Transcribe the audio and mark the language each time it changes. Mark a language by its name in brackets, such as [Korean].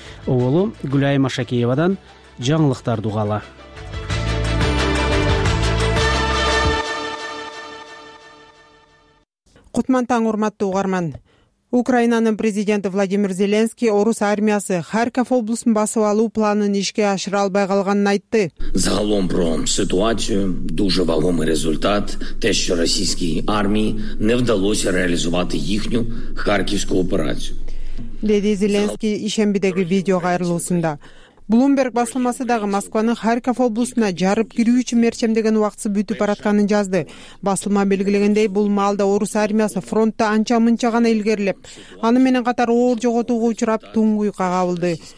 [Kyrgyz] Оголу Гүлайым Ашакеевадан жаңылыктарды угалы. Кутман таң, урматтуу угарман. Украинанын президенти Владимир Зеленский орус армиясы Харьков облусун басып алуу планын ишке ашыра албай калганын айтты. [Ukrainian] Загалом про ситуацию, дуже вагомый результат, те, що російській армії не вдалося реалізувати їхню харківську операцію. [Kyrgyz] Деди Зеленский ишембидеги видео кайрылуусунда. Bloomberg басылмасы дагы Москванын Харьков облусуна жарып кирүү үчүн мерчемдеген убактысы бүтүп баратканын жазды. Басылма белгилегендей, бул маалда орус армиясы фронтто анча-мынча гана илгерилеп, аны менен катар оор жоготууга учурап, туңгуйка кабылды.